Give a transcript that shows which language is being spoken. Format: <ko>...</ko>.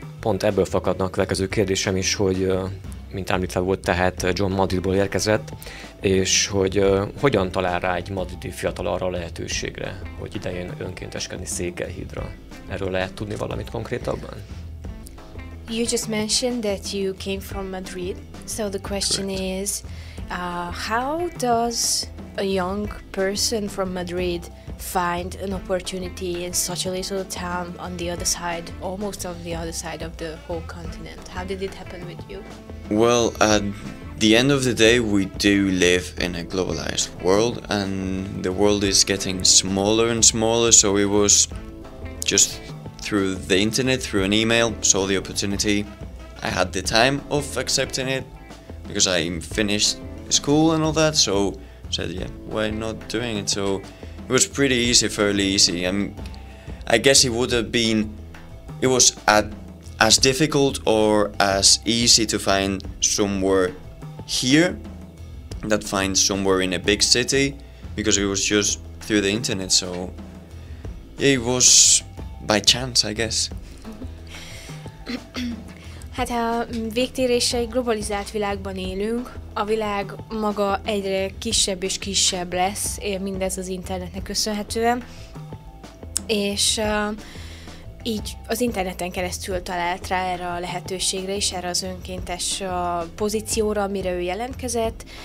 <hu>Pont ebből fakadnak a következő kérdésem is, hogy mint említve volt, tehát John Madridból érkezett, és hogy hogyan talál rá egy madridi fiatal arra a lehetőségre, hogy idejön önkénteskedni Székelyhídra? Erről lehet tudni valamit konkrétabban?</hu> <en>You just mentioned that you came from Madrid, so the question is, how does a young person from Madrid find an opportunity in such a little town on the other side, almost on the other side of the whole continent? How did it happen with you? Well, at the end of the day, we do live in a globalized world, and the world is getting smaller and smaller, so it was just through the internet, through an email, saw the opportunity. I had the time of accepting it, because I finished school and all that, so I said, yeah, why not doing it? So it was pretty easy, fairly easy. I mean, I guess it would have been, it was as difficult or as easy to find somewhere here that find somewhere in a big city, because it was just through the internet, so it was by chance, I guess.</en> <hu>Hát a végtérése, egy globalizált világban élünk, a világ maga egyre kisebb és kisebb lesz, mindez az internetnek köszönhetően, és így az interneten keresztül talált rá erre a lehetőségre és erre az önkéntes pozícióra, amire ő jelentkezett.</hu>